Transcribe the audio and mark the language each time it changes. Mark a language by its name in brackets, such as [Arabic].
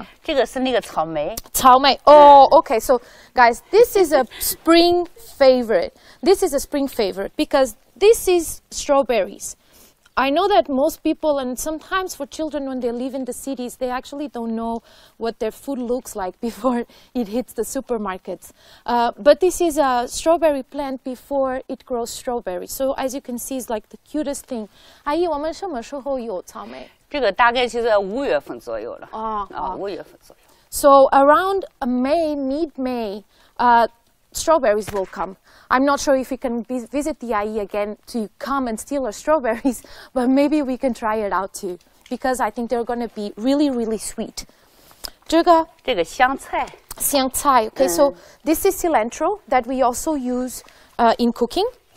[Chinese] 好,我们还有这个,那么可爱的,这个是什么?这个是那个草莓。草莓, oh, okay. [English] So guys, this is a spring favorite. This is a spring favorite because this is strawberries. I know that most people, and sometimes for children when they live in the cities, they actually don't know what their food looks like before it hits the supermarkets. But this is a strawberry plant before it grows strawberries. So as you can see, it's like the cutest thing. [Chinese] 阿姨,我们什么时候有草莓? 这个大概就是五月份左右了。五月份左右。 [English] So around May, mid-May, strawberries will come. I'm not sure if we can visit the IE again to come and steal our strawberries, but maybe we can try it out too, because I think they're going to be really, really sweet. [Chinese] 这个香菜. [English] Okay, so this is cilantro that we also use in cooking.